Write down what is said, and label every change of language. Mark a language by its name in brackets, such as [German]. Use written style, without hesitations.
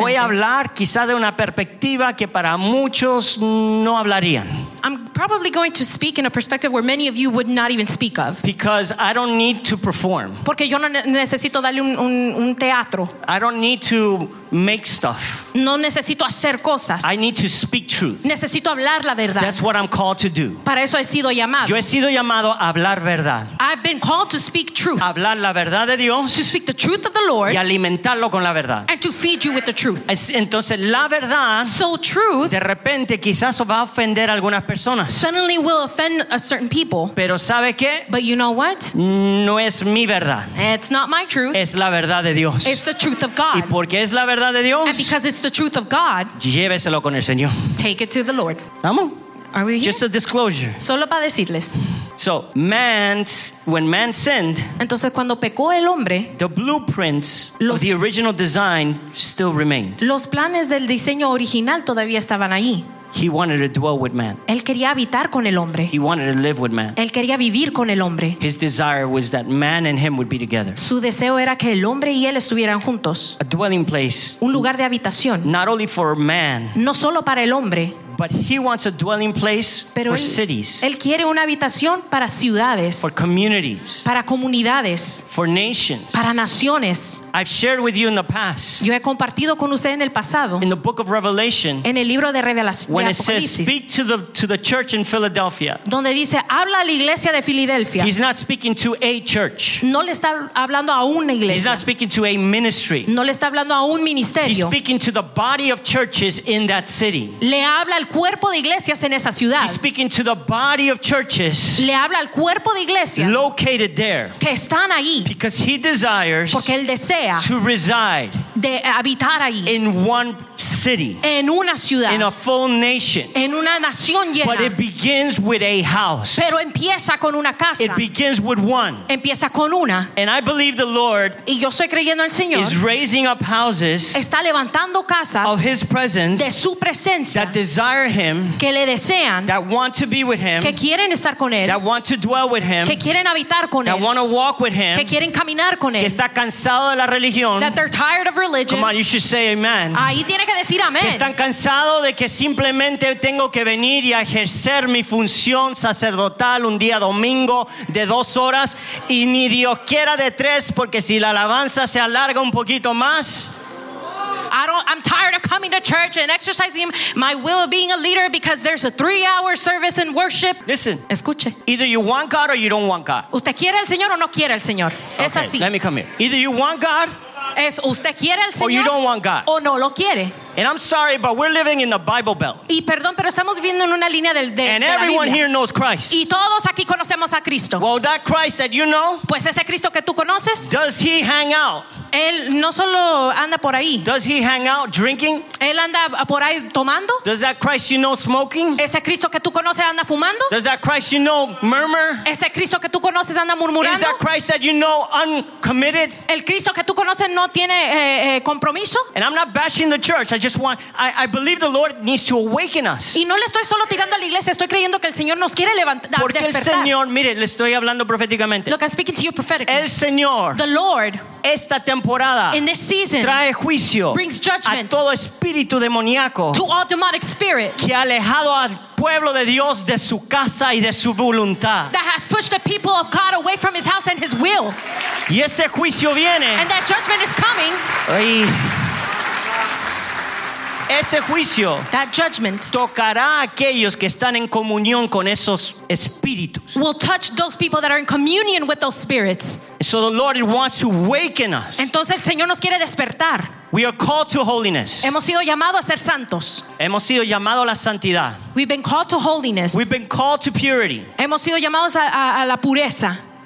[Spanish] y voy a hablar quizá de una perspectiva que para muchos no hablarían. [English] I'm probably going to speak in a perspective where many of you would not even speak of. Because I don't need to perform. [Spanish] Porque yo no necesito darle un teatro. [English] I don't need to make stuff. [Spanish] No necesito hacer cosas. [English] I need to speak truth. [Spanish] Necesito hablar la verdad. [English] That's what I'm called to do. [Spanish] Para eso he sido llamado. Yo he sido llamado a hablar verdad. [English] I've been called to speak truth. [Spanish] Hablar la verdad de Dios. [English] To speak the truth of the Lord. [Spanish] Y alimentarlo con la verdad. [English] And to feed you with the truth. [Spanish] Entonces la verdad. [English] So truth. [Spanish] De repente quizás va a ofender a algunas personas. [English] Suddenly will offend a certain people. [Spanish] Pero ¿sabe qué? [English] But you know what? [Spanish] No es mi verdad. [English] It's not my truth. [Spanish] Es la verdad de Dios. [English] It's the truth of God. [Spanish] Y porque es la verdad de Dios. [English] And because it's the truth of God. [Spanish] Lléveselo con el Señor. [English] Take it to the Lord. [Spanish] ¿Vamos? [English] Are we here? Just a disclosure. [Spanish] Solo para decirles. [English] So, when man sinned, [Spanish] entonces cuando pecó el hombre, [English] the blueprints of the original design still remained. [Spanish] Los planes del diseño original todavía estaban ahí. [English] He wanted to dwell with man. [Spanish] Él quería habitar con el hombre. [English] He wanted to live with man. [Spanish] Él quería vivir con el hombre. [English] His desire was that man and him would be together. [Spanish] Su deseo era que el hombre y él estuvieran juntos. [English] A dwelling place. [Spanish] Un lugar de habitación. [English] Not only for man. [Spanish] No solo para el hombre. [English] But he wants a dwelling place for cities. [Spanish] Él quiere una habitación para ciudades. [English] For communities. [Spanish] Para comunidades. [English] For nations. [Spanish] Para naciones. [English] I've shared with you in the past. [Spanish] Yo he compartido con usted en el pasado. [English] In the book of Revelation. [Spanish] En el libro de Revelación. [English] When it says, "Speak to the church in Philadelphia." [Spanish] Donde dice, habla a la iglesia de Filadelfia. [English] He's not speaking to a church. [Spanish] No le está hablando a una iglesia. [English] He's not speaking to a ministry. [Spanish] No le está hablando a un ministerio. [English] He's speaking to the body of churches in that city. [Spanish] Le habla al cuerpo de iglesias en esa ciudad. [English] He's speaking to the body of churches. [Spanish] Le habla al cuerpo de iglesias. [English] Located there. [Spanish] Que están ahí. [English] Because he desires. [Spanish] Porque él desea. [English] To reside. [Spanish] De habitar ahí. [English] In one city. [Spanish] En una ciudad. [English] In a full nation. [Spanish] En una nación llena. [English] But it begins with a house. [Spanish] Pero empieza con una casa. [English] It begins with one. [Spanish] Empieza con una. [English] And I believe the Lord. [Spanish] Y yo estoy creyendo al Señor. [English] Is raising up houses. [Spanish] Está levantando casas. [English] Of his presence. [Spanish] De su presencia. [English] That desire. Him, [Spanish] que le desean, [English] that want to be with him, [Spanish] que quieren estar con él, [English] that want to dwell with him, [Spanish] que quieren habitar con [English] that [Spanish] él, [English] want to walk with him, [Spanish] que quieren caminar con que él, está cansado de la religión, [English] that they're tired of religion. Come on, you should say amen. [Spanish] Ahí tiene que decir amén. Que están cansados de que simplemente tengo que venir y ejercer mi función sacerdotal un día domingo de dos horas y ni Dios quiera de tres, porque si la alabanza se alarga un poquito más. [English] I'm tired of coming to church and exercising my will of being a leader because there's a 3-hour service in worship. Listen. [Spanish] Escuche. [English] Either you want God or you don't want God. [Spanish] ¿Usted quiere al Señor o no quiere al Señor? [English] Okay, [Spanish] es así. [English] Let me come here. Either you want God [Spanish] ¿Es usted quiere al Señor? [English] Or you don't want God. [Spanish] ¿O no lo quiere? [English] And I'm sorry, but we're living in the Bible Belt. [Spanish] Y perdón, pero estamos viviendo en una línea del de la [English] Biblia. And everyone here knows Christ. [Spanish] Y todos aquí conocemos a Cristo. [English] Well, that Christ that you know. [Spanish] Pues ese Cristo que tú conoces. [English] Does he hang out? [Spanish] Él no solo anda por ahí. [English] Does he hang out drinking? [Spanish] Él anda por ahí tomando. [English] Does that Christ you know smoking? [Spanish] Ese Cristo que tú conoces anda fumando. [English] Does that Christ you know murmur? [Spanish] Ese Cristo que tú conoces anda murmurando. [English] Is that Christ that you know uncommitted? [Spanish] El Cristo que tú conoces no tiene compromiso. [English] And I'm not bashing the church. I believe the Lord needs to awaken us. [Spanish] Y no le estoy solo tirando a la iglesia, estoy creyendo que el Señor nos quiere levantar, despertar. Porque el Señor, mire, le estoy hablando proféticamente. [English] Look, I'm speaking to you prophetically. [Spanish] El Señor, [English] the Lord, [Spanish] esta temporada, [English] in this season, [Spanish] trae juicio, [English] brings judgment, [Spanish] a todo espíritu demoníaco, [English] to all demonic spirit, [Spanish] que ha alejado al pueblo de Dios de su casa y de su voluntad, [English] that has pushed the people of God away from his house and his will. [Spanish] Y ese juicio viene, [English] and that judgment is coming. Ay. [Spanish] Ese juicio, [English] that judgment, [Spanish] tocará a aquellos que están en comunión con esos espíritus. [English] Will touch those people that are in communion with those spirits. So the Lord wants to awaken us. [Spanish] Entonces el Señor nos quiere despertar. [English] We are called to holiness. [Spanish] Hemos sido llamados a ser santos. Hemos sido llamados a la santidad. [English] We've been called to holiness. We've been called to purity. [Spanish] Hemos sido llamados a la pureza.